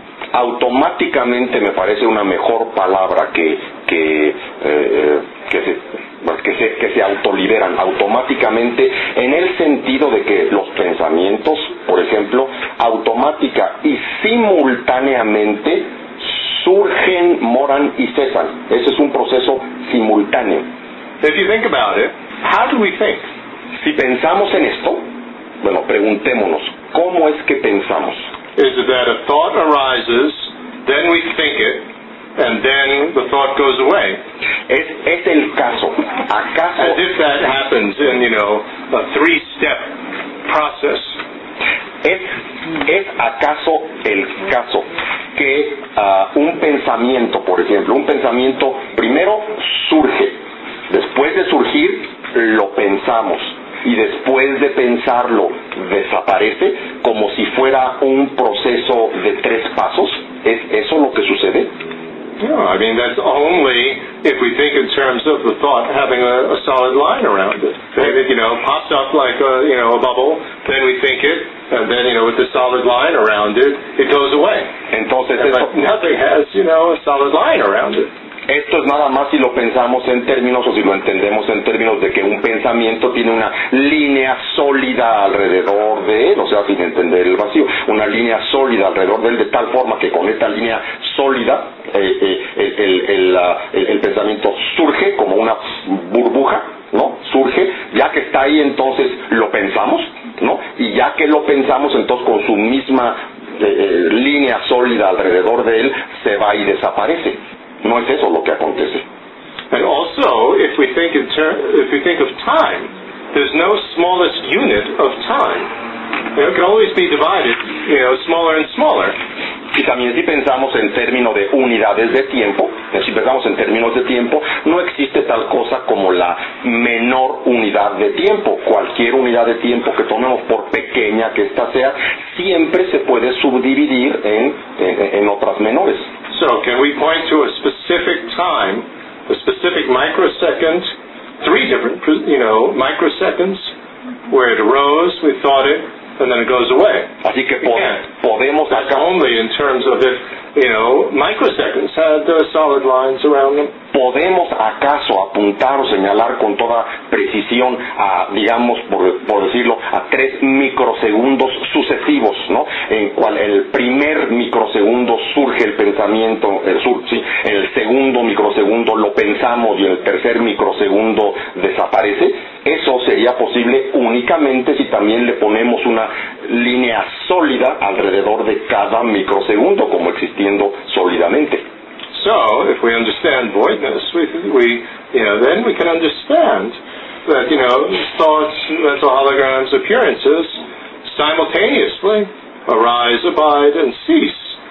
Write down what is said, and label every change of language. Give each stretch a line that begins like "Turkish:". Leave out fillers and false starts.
Spanish: Automáticamente me parece una mejor palabra que se autoliberan automáticamente, en el sentido de que los pensamientos, por ejemplo, automática y simultáneamente surgen, moran y cesan. Ese es un proceso simultáneo.
English: If you think about it, how do we think?
Spanish: Si pensamos en esto, bueno, preguntémonos, ¿cómo es que pensamos?
English: Is it that a thought arises, then we think it, and then the thought goes away?
Spanish: Es el caso. ¿Acaso?
English: As if that happens in, you know, a three-step process.
Spanish: ¿Es acaso el caso que un pensamiento, por ejemplo, un pensamiento primero surge, después de surgir lo pensamos, y después de pensarlo desaparece, como si fuera un proceso de tres pasos? ¿Es eso lo que sucede?
English: No, I mean, that's only if we think in terms of the thought having a solid line around it. It, you know, pops up like a bubble, then we think it, and then, you know, with the solid line around it, it goes away.
Spanish: Entonces,
English: nothing has, you know, a solid line around it.
Spanish: Esto es nada más si lo pensamos en términos, o si lo entendemos en términos de que un pensamiento tiene una línea sólida alrededor de él, o sea, sin entender el vacío, una línea sólida alrededor de él, de tal forma que con esta línea sólida el pensamiento surge como una burbuja, ¿no? Surge, ya que está ahí, entonces lo pensamos, ¿no? Y ya que lo pensamos, entonces con su misma línea sólida alrededor de él se va y desaparece. No es eso lo que acontece.
English: And also, if we think of time, there's no smallest unit of time. You know, it can always be divided, you know, smaller and smaller.
Spanish: Y también si pensamos en términos de unidades de tiempo, si pensamos en términos de tiempo, no existe tal cosa como la menor unidad de tiempo. Cualquier unidad de tiempo que tomemos, por pequeña que esta sea, siempre se puede subdividir en otras menores.
English: So, can we point to a specific time, a specific microsecond, three different, you know, microseconds, where it arose, we thought it, and then it goes away?
Spanish: Así que podemos sacar
English: only in terms of if, you know, microseconds had the solid lines around them.
Spanish: ¿Podemos acaso apuntar o señalar con toda precisión a, digamos, por decirlo, a tres microsegundos sucesivos, ¿no? En cual el primer microsegundo surge el pensamiento, en el segundo microsegundo lo pensamos y en el tercer microsegundo desaparece? Eso sería posible únicamente si también le ponemos una línea sólida alrededor de cada microsegundo, como existiendo sólidamente.
English: So if we understand voidness, then we can understand that, you know, thoughts, mental holograms, appearances simultaneously arise, abide, and cease.